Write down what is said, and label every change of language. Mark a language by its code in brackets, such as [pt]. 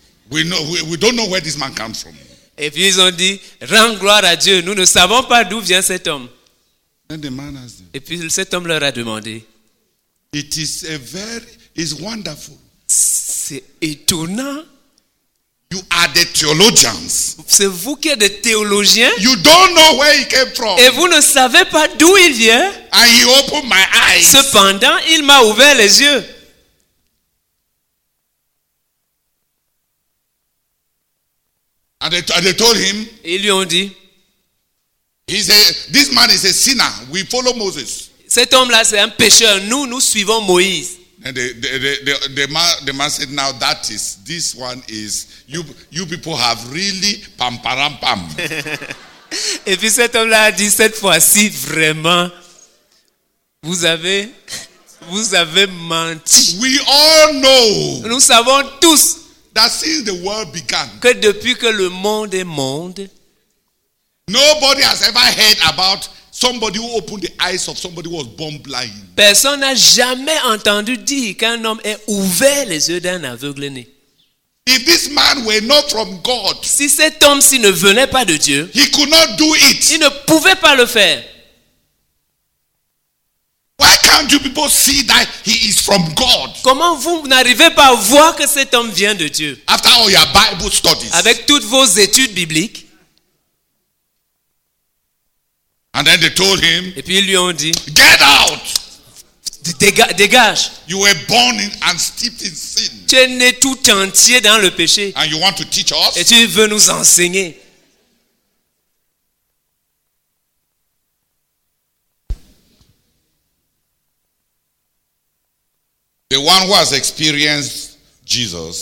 [en] We don't know where this man comes from. [fr] Et puis ils ont dit, rends gloire à Dieu. Nous ne savons pas d'où vient cet homme. [en] Then the man asked them, [fr] et puis cet homme leur a demandé. [en] It is a very, it's wonderful. [fr] C'est étonnant. [en] You are the theologians. [fr] C'est vous qui êtes des théologiens. [en] You don't know where he came from. [fr] Et vous ne savez pas d'où il vient. [en] And he opened my eyes. [fr] Cependant, il m'a ouvert les yeux. [en] And they told him. [fr] Ils lui ont dit. [en] This man is a sinner. We follow Moses. [fr] Cet homme-là, c'est un pécheur. Nous suivons Moïse. [en] The man said, "Now that is this one is you people have really pam pam pam." [fr] Et puis cet homme-là a dit cette fois-ci vraiment, vous avez menti. [en] We all know. [fr] Nous savons tous. [en] That since the world began. [fr] Que depuis que le monde est monde. [en] Nobody has ever heard about. Somebody who opened the eyes of somebody who was born blind. [fr] Personne n'a jamais entendu dire qu'un homme ait ouvert les yeux d'un aveugle né. [en] If this man were not from God, [fr] si cet homme s'il ne venait pas de Dieu, [en] he could not do it. [fr] Il ne pouvait pas le faire. [en] Why can't you people see that he is from God? [fr] Comment vous n'arrivez pas à voir que cet homme vient de Dieu? [en] After all your Bible studies. [fr] Avec toutes vos études bibliques. [en] And then they told him, [fr] et puis ils lui ont dit, [en] get out! [fr] Dégage! [en] You were born in and steeped in sin. [fr] Tu es né tout entier dans le péché. [en] And you want to teach us? [fr] Et tu veux nous enseigner. [en] The one who has experienced Jesus,